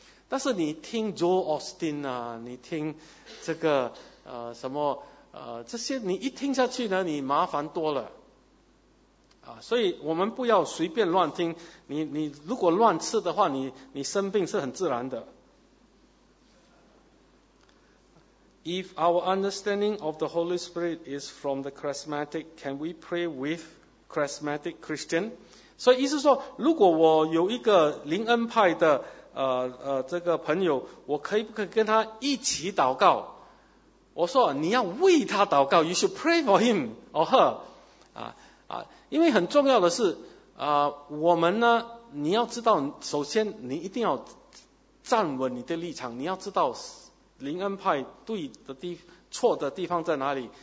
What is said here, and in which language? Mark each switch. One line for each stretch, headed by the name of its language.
Chinese: 但是你听 Joel Osteen 啊，你听这个什么这些，你一听下去呢，你麻烦多了。啊，所以我们不要随便乱听。你如果乱吃的话，你生病是很自然的。
English: If our understanding of the Holy Spirit is from the charismatic, can we pray with charismatic Christian?
Chinese: 所以意思是说，如果我有一个灵恩派的这个朋友，我可以不可以跟他一起祷告？我说你要为他祷告 ，
English: you should pray for him or her。
Chinese: 因为很重要的是，我们呢，你要知道，首先你一定要站稳你的立场，你要知道灵恩派对的地错的地方在哪里。